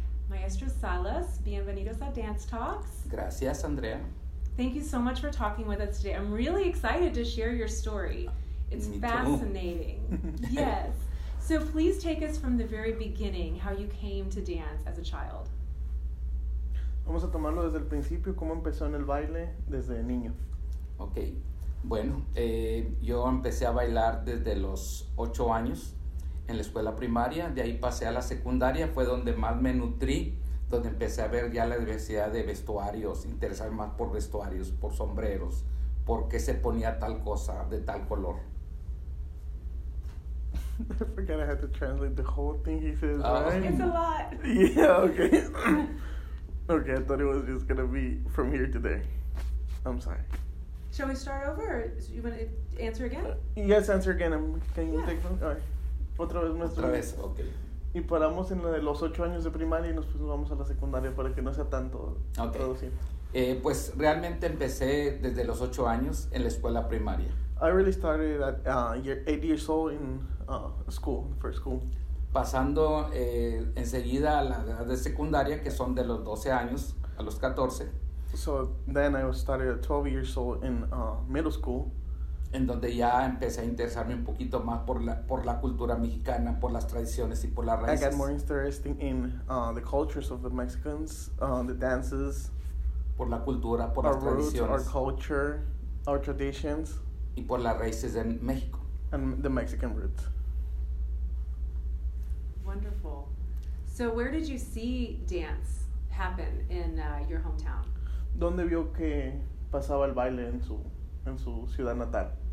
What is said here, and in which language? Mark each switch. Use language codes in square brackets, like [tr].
[es] Maestro Salas, bienvenidos a Dance Talks. Gracias, Andrea. [en] Thank you so much for talking with us today. I'm really excited to share your story. It's fascinating. Yes. So please take us from the very beginning, how you came to dance as a child. [es] Vamos a tomarlo desde el principio, cómo empezó en el baile desde niño. [en] Okay. [es] Bueno, yo empecé a bailar desde los 8 años en la escuela primaria. De ahí pasé a la secundaria, fue donde más me nutrí, donde empecé a ver ya la diversidad de vestuarios, interesar más por vestuarios, por sombreros, por qué se ponía tal cosa de tal color. [en] I forgot I had to translate the whole thing he says, right? It's a lot. Yeah, okay. Okay, I thought it was just going to be from here to there. I'm sorry. Shall we start over, or you want to answer again? Yes, answer again. Can you take one? All right. [es] Otra vez, maestro. Otra vez, okay. Y paramos en la de los 8 años de primaria y nos vamos a la secundaria para que no sea tanto traducir. Pues realmente empecé desde los 8 años en la escuela primaria. [en] I really started at 8 years old in school, first school. [es] Pasando enseguida a la edad de secundaria, que son de los 12 años a los 14. [en] So then I started at 12 years old in middle school. [es] En donde ya empecé a interesarme un poquito más por la cultura mexicana, por las tradiciones y por las raíces. [en] I got more interested in the cultures of the Mexicans, the dances. [es] Por la cultura, por las [en] roots, [es] tradiciones. [en] Our culture, our traditions. [es] Y por las raíces en México. [en] And the Mexican roots. Wonderful. So where did you see dance happen in your hometown? [es] ¿Dónde vio que pasaba el baile en su ciudad natal?